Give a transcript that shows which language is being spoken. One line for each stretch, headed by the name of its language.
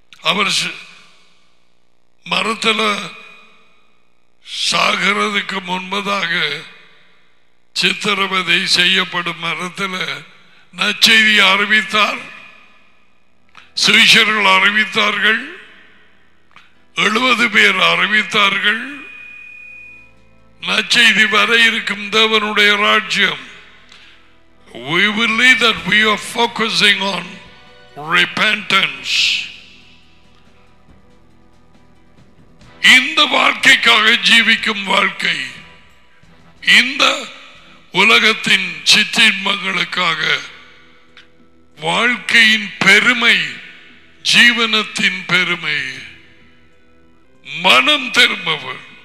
Tamil: அவர் மரத்தில் சாகிறதுக்கு முன்பதாக சித்திரவதை செய்யப்படும் மரத்தில் நச்செய்தி அறிவித்தார். சீஷர்கள் அறிவித்தார்கள், 70 பேர் அறிவித்தார்கள். நச்செய்தி வர இருக்கும் தேவனுடைய ராஜ்யம்.
English: We believe that we are focusing on repentance.
Tamil: இந்த வாழ்க்கைக்காக ஜீவிக்கும் வாழ்க்கை, இந்த உலகத்தின் சிற்றின்பங்களுக்காக வாழ்க்கையின் பெருமை, ஜீவனத்தின் பெருமை, மனம் திரும்பவன்.